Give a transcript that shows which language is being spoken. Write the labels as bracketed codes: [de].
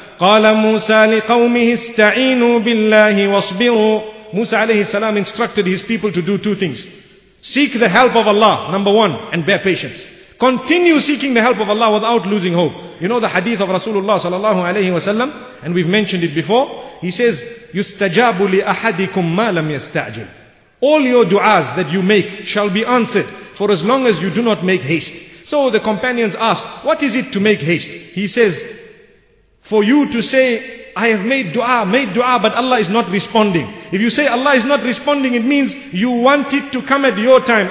[ar] قَالَ مُوسَى لِقَوْمِهِ اسْتَعِينُوا بِاللَّهِ وَاصْبِرُوا. [en] Musa alayhi salam instructed his people to do two things. Seek the help of Allah, number one, and bear patience. Continue seeking the help of Allah without losing hope. You know the hadith of Rasulullah sallallahu alayhi wa sallam, and we've mentioned it before. He says, [ar] يُسْتَجَابُ لِأَحَدِكُمْ مَا لَمْ يَسْتَعْجِلُ. [en] All your du'as that you make shall be answered for as long as you do not make haste. So the companions ask, what is it to make haste? He says, for you to say, I have made dua, but Allah is not responding. If you say Allah is not responding, it means you want it to come at your time.